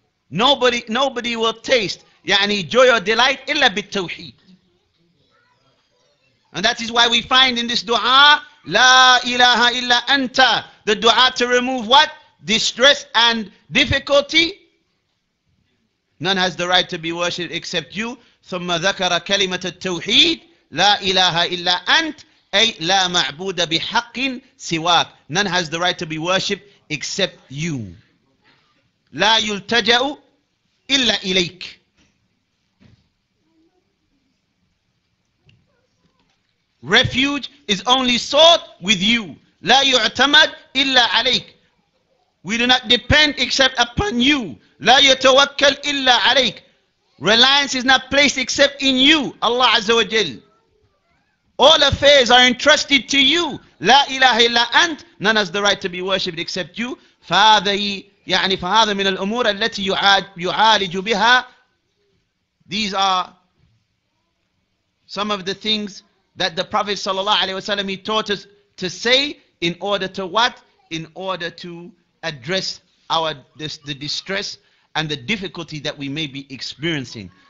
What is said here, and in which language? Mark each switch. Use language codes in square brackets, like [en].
[en] Nobody will taste yani joy or delight illa bit tawheed. And that is why we find in this dua, la ilaha illa anta, the dua to remove what? Distress and difficulty. None has the right to be worshipped except you. [ar] ثم ذكر كلمة التوحيد لا إله إلا أنت أي لا معبود بحق سواك. [en] None has the right to be worshipped except you. [ar] لا يلتجأ إلا إليك. [en] Refuge is only sought with you. [ar] لا يعتمد إلا عليك. [en] We do not depend except upon you. [ar] لا يتوكل إلا عليك. [en] Reliance is not placed except in you, Allah Azza wa Jal. All affairs are entrusted to you. [ar] لا إله إلا أنت. [en] None has the right to be worshipped except you. [ar] فهذا من الأمور التي يعالج بها. [en] These are some of the things that the Prophet sallallahu alaihi wasallam, he taught us to say in order to what? In order to address the distress and the difficulty that we may be experiencing.